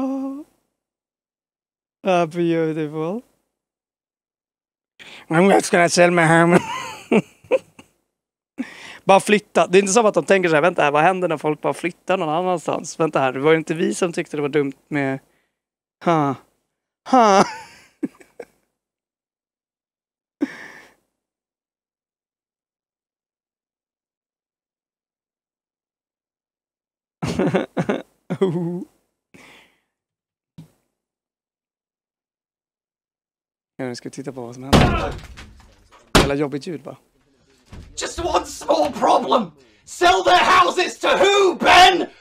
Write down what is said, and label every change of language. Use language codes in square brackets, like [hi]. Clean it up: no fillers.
[en] Oh. Ah, beautiful. I'm just gonna sell my home. [sv] Bara flytta. Det är inte som att de tänker så här, vänta här, vad händer när folk bara flyttar någon annanstans? Vänta här, det var ju inte vi som tyckte det var dumt med... Ha. Ha. Ja, nu ska vi titta på vad som händer. Jävla jobbigt ljud bara. [en] Just one small problem. Sell their houses to who, Ben?